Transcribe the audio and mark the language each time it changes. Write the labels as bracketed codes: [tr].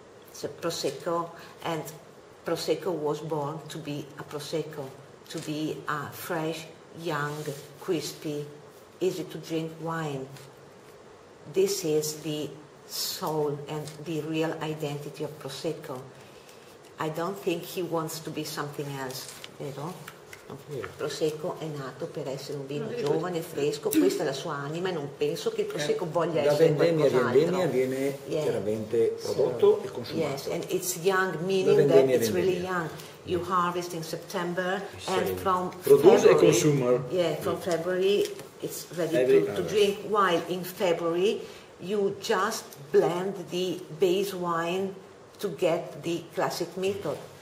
[en] It's a Prosecco, and Prosecco was born to be a Prosecco, to be a fresh, young, crispy, easy to drink wine. This is the soul and the real identity of Prosecco. I don't think he wants to be something else, [it] vero? Prosecco è nato per essere un vino giovane, fresco, questa è la sua anima e non penso che il Prosecco voglia essere qualcos'altro. La vendemmia, viene chiaramente prodotto e consumato. [en] Yes, and it's young, meaning that it's really young. You harvest in September and from [it] produce e consuma. [en] Yeah, from February it's ready to drink, while in February you just blend the base wine to get the classic method.